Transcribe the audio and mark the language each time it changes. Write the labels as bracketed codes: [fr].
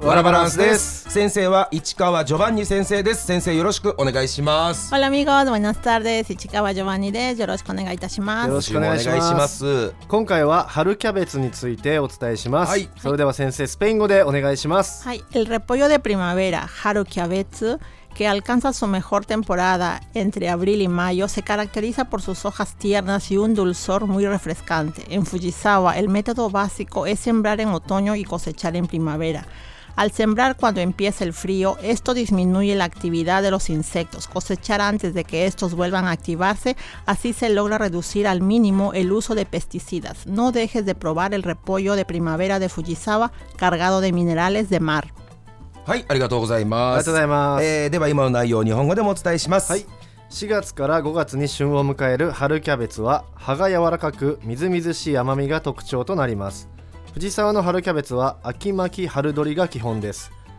[ja] ワラバランスです。先生は市川ジョバンニ先生です。先生よろしくお願いします。 [es] ホラミゴーズ [ja] マイナスターです。市川ジョバンニです。よろしくお願いいたします。よろしくお願いします。今回は春キャベツについてお伝えします、はい、それでは先生スペイン語でお願いします。 [es] はい、エルレポヨデプリマベラ [ja] 春キャベツ [es] que alcanza su mejor temporada entre abril y mayo se caracteriza por sus hojas tiernas y un dulzor muy refrescante. En Fujisawa, el método básico es sembrar en otoño y cosechar en primavera. Al sembrar cuando empieza el frío, esto disminuye la actividad de los insectos. Cosechar antes de que estos vuelvan a activarse, así se logra reducir al mínimo el uso de pesticidas. No dejes de probar el repollo de primavera de Fujisawa cargado de minerales de mar. [ja] はい、ありがとうございます。ありがとうございます。では今の内容を日本語でもお伝えします、はい、4月から5月に旬を迎える春キャベツは葉が柔らかくみずみずしい甘みが特徴となります。藤沢の春キャベツは秋巻き春取りが基本です。